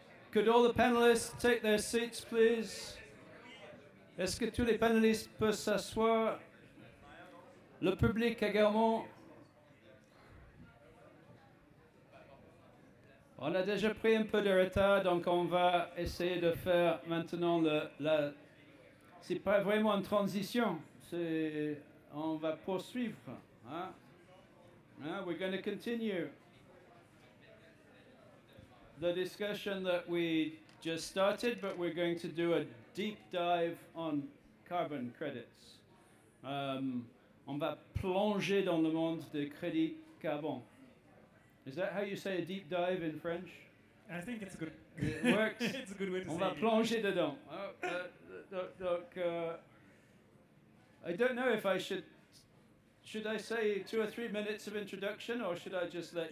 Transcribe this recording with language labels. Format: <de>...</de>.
<en>Could all the panelists take their seats, please?</en> <fr>Est-ce que tous les panelistes peuvent s'asseoir? Le public également. On a déjà pris un peu de retard, donc on va essayer de faire maintenant la... C'est pas vraiment une transition, c'est... On va poursuivre, hein?</fr> <en>We're going to continue the discussion that we just started, but we're going to do a deep dive on carbon credits.</en> <fr>On va plonger dans le monde des crédits carbone.</fr> <en>Is that how you say a deep dive in French? I think it's good. It works. It's a good way to</en> <fr>on</fr> <en>say it.</en> <fr>On va plonger dedans.</fr> <en>I don't know if I should... Should I say 2 or 3 minutes of introduction, or should I just let</en>